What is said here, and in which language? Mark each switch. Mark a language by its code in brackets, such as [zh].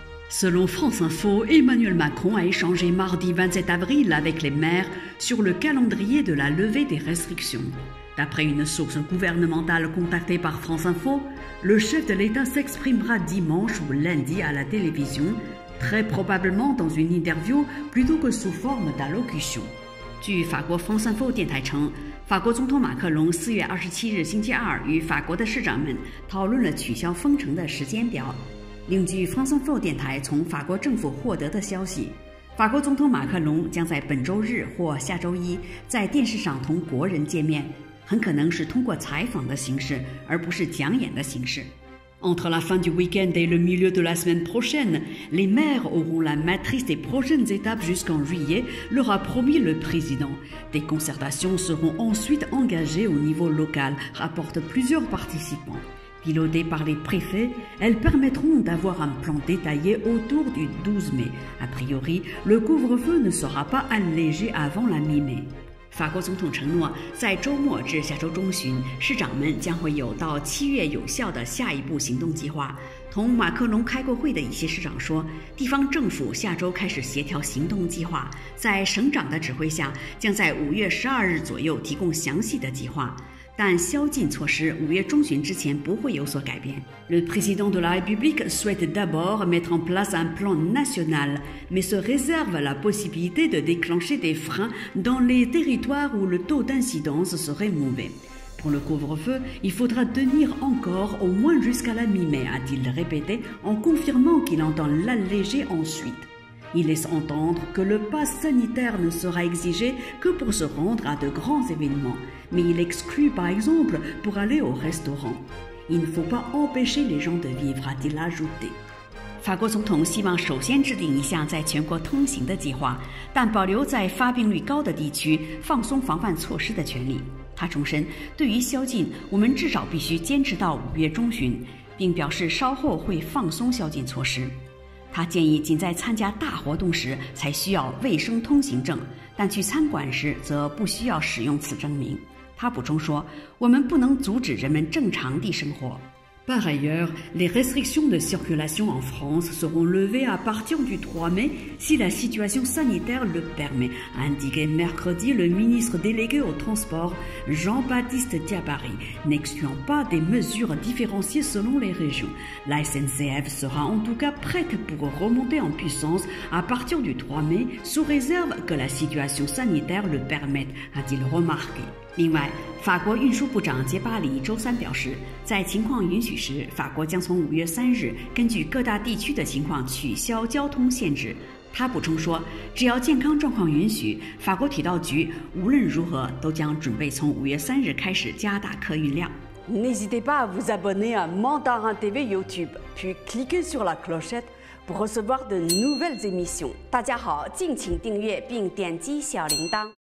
[fr] Selon France Info, Emmanuel Macron a échangé mardi 27 avril avec les maires sur le calendrier de la levée des restrictions. D'après une source gouvernementale contactée par France Info, le chef de l'État s'exprimera dimanche ou lundi à la télévision, très probablement dans une interview plutôt que sous forme d'allocution. [zh] 据法国 France Info 电台称，法国总统马克龙4月27日星期二与法国的市长们讨论了取消封城的时间表。另据 France Info 电台从法国政府获得的消息，法国总统马克龙将在本周日或下周一在电视上同国人见面，很可能是通过采访的形式，而不是讲演的形式。 [fr] Entre la fin du week-end et le milieu de la semaine prochaine, les maires auront la matrice des prochaines étapes jusqu'en juillet, leur a promis le président. Des concertations seront ensuite engagées au niveau local, rapportent plusieurs participants. Pilotées par les préfets, elles permettront d'avoir un plan détaillé autour du 12 mai. A priori, le couvre-feu ne sera pas allégé avant la mi-mai. [zh] 法国总统承诺，在周末至下周中旬，市长们将会有到七月有效的下一步行动计划。同马克龙开过会的一些市长说，地方政府下周开始协调行动计划，在省长的指挥下，将在五月十二日左右提供详细的计划。但宵禁措施五月中旬之前不会有所改变。 [fr] Le président de la République souhaite d'abord mettre en place un plan national, mais se réserve la possibilité de déclencher des freins dans les territoires où le taux d'incidence serait mauvais. Pour le couvre-feu, il faudra tenir encore au moins jusqu'à la mi-mai, a-t-il répété en confirmant qu'il entend l'alléger ensuite. Il laisse entendre que le pass sanitaire ne sera exigé que pour se rendre à de grands événements, mais il exclut par exemple pour aller au restaurant. Il ne faut pas empêcher les gens de vivre, a-t-il ajouté. [zh] 法国总统希望首先制定一项在全国通行的计划，但保留在发病率高的地区放松防范措施的权利。他重申，对于宵禁，我们至少必须坚持到五月中旬，并表示稍后会放松宵禁措施。他建议仅在参加大活动时才需要卫生通行证，但去餐馆时则不需要使用此证明。他补充说，我们不能阻止人们正常地生活。 [fr] Par ailleurs, les restrictions de circulation en France seront levées à partir du 3 mai si la situation sanitaire le permet, a indiqué mercredi le ministre délégué au transport Jean-Baptiste Diabary, n'excluant pas des mesures différenciées selon les régions. La SNCF sera en tout cas prête pour remonter en puissance à partir du 3 mai sous réserve que la situation sanitaire le permette, a-t-il remarqué. [zh] 另外，法国运输部长杰巴里周三表示，在情况允许时，法国将从5月3日根据各大地区的情况取消交通限制。他补充说，只要健康状况允许，法国铁道局无论如何都将准备从5月3日开始加大客运量。 [fr] N'hésitez pas à vous abonner à Mandarin TV YouTube, puis cliquez sur la clochette pour recevoir de nouvelles émissions. [zh] 大家好，敬请订阅并点击小铃铛。